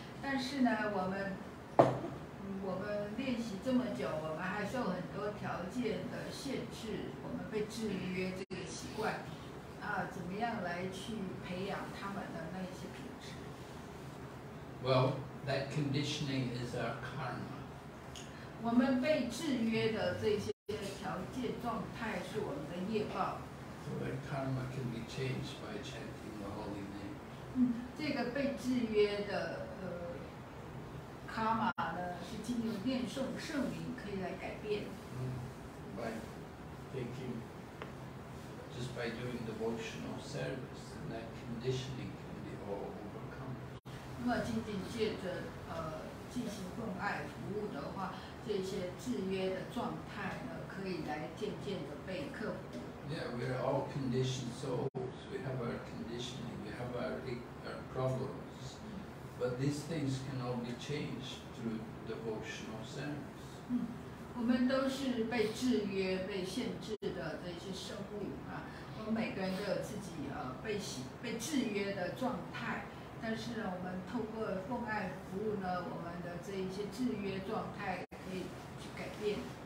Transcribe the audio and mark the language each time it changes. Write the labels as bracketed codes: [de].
[zh] 但是呢，我们练习这么久，我们还是有很多条件的限制，我们被制约这个习惯啊，怎么样来去培养他们的那些品质？ [en] Well, that conditioning is our karma. [zh] 我们被制约的这些条件状态是我们的业报。 [en] So that karma can be changed by chanting the holy name. [zh] 这个被制约的karma 呢，是经由念诵圣名可以来改变。 [en] By taking, just by doing devotional service, and that conditioning can be all overcome. [zh] 那么仅仅借着进行奉爱服务的话，这些制约的状态呢，可以来渐渐的被克服。 [en] Yeah, we are all conditioned souls. We have our conditioning. We have our problems. But these things can all be changed through devotional service. [zh] 我们都是被制约、被限制的这些生物啊。我们每个人都有自己被制约的状态，但是呢，我们透过奉爱服务呢，我们的这一些制约状态可以去改变。